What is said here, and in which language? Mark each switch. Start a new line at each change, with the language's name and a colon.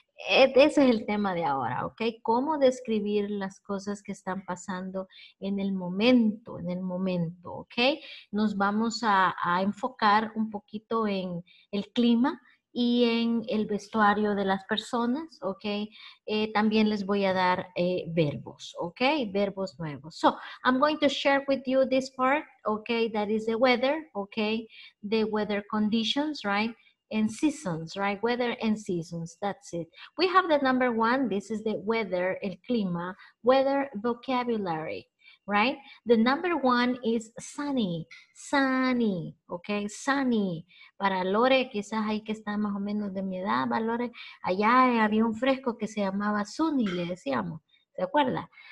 Spanish: Ese es el tema de ahora, ¿ok? ¿Cómo describir las cosas que están pasando en el momento, ¿ok? Nos vamos a enfocar un poquito en el clima y en el vestuario de las personas, ¿ok? También les voy a dar verbos, ¿ok? Verbos nuevos.
English: So, I'm going to share with you this part, ¿ok? That is the weather, ¿ok? The weather conditions, right? And seasons, right? Weather and seasons, that's it. We have the number one, this is the weather,
Spanish: el clima,
English: weather vocabulary, right? The number one is sunny, okay? Sunny.
Spanish: Para Lore, quizás ahí que está más o menos de mi edad, para Lore, allá había un fresco que se llamaba sunny, le decíamos, ¿se acuerda?